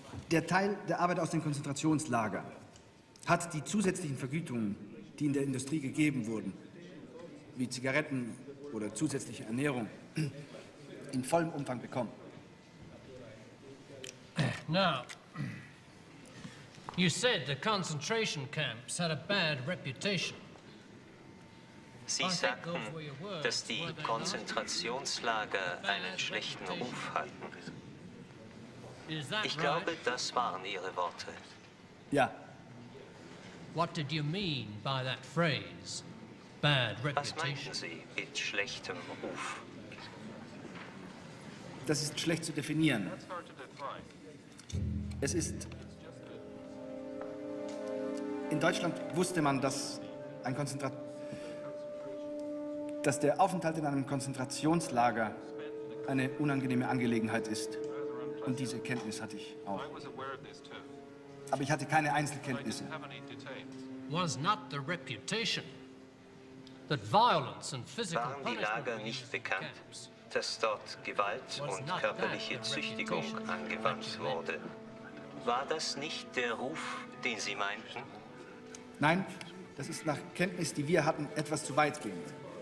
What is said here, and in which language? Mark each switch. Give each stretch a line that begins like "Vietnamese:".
German: Der Teil der Arbeit aus den Konzentrationslagern hat die zusätzlichen Vergütungen, die in der Industrie gegeben wurden, wie Zigaretten oder zusätzliche Ernährung, in vollem Umfang bekommen.
English: Now, you said the concentration camps had a bad reputation.
German: Sie sagten, dass die Konzentrationslager einen schlechten Ruf hatten. Ich glaube, das waren Ihre Worte. Ja.
English: What did you mean by that phrase, bad reputation?
German: Was meinten Sie mit schlechtem Ruf? Das ist schlecht zu definieren. Es ist... In Deutschland wusste man, dass ein dass der Aufenthalt in einem Konzentrationslager eine unangenehme Angelegenheit ist. Und diese Kenntnis hatte ich auch. Aber ich hatte keine Einzelkenntnisse.
English: Was not the reputation that violence and physical
German: punishment waren die Lager nicht bekannt, dass dort Gewalt und körperliche Züchtigung angewandt wurde? War das nicht der Ruf, den Sie meinten? Nein, das ist nach Kenntnis, die wir hatten, etwas zu weitgehend.